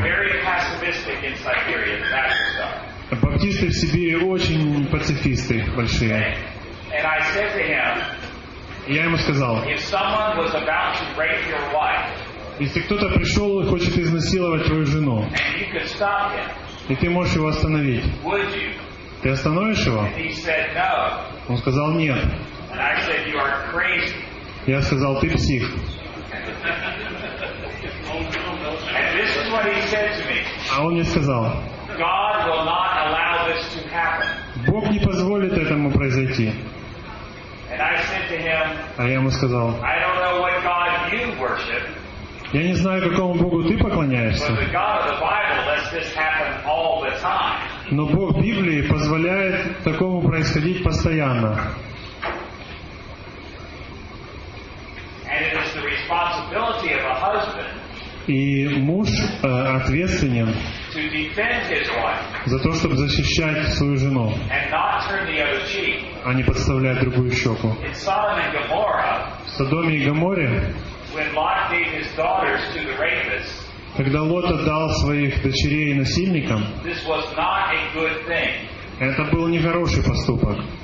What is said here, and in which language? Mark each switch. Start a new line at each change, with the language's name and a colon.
English: They are very pacifistic in Siberia, the Baptist
Russian: Баптисты в Сибири очень пацифисты большие.
English: And I said to him,
Russian: я ему сказал,
English: if someone was about to rape your wife,
Russian: если кто-то пришел и хочет изнасиловать твою жену,
English: and you could stop him,
Russian: и ты можешь его остановить,
English: would you?
Russian: Ты остановишь его?
English: He said, no.
Russian: Он сказал нет.
English: And I said, you are crazy.
Russian: Я сказал, ты псих.
English: And this is what he said to me.
Russian: А он мне сказал,
English: God will not allow this to happen.
Russian: Бог не позволит этому произойти.
English: And I said to him,
Russian: а я ему сказал,
English: I don't know what God you worship.
Russian: Я не знаю, какому Богу ты поклоняешься.
English: But the God of the Bible lets this happen all the time.
Russian: Но Бог Библии позволяет такому происходить постоянно.
English: And it is the responsibility of a husband.
Russian: И муж ответственен
English: to defend his wife.
Russian: За то, чтобы защищать свою жену.
English: And not turn the other cheek.
Russian: А не подставлять другую щеку.
English: In Sodom and Gomorrah,
Russian: в Содоме и Гоморре,
English: when Lot gave his daughters to the rapists,
Russian: когда Лот отдал своих дочерей насильникам,
English: this was not a good thing.
Russian: Это был нехороший поступок.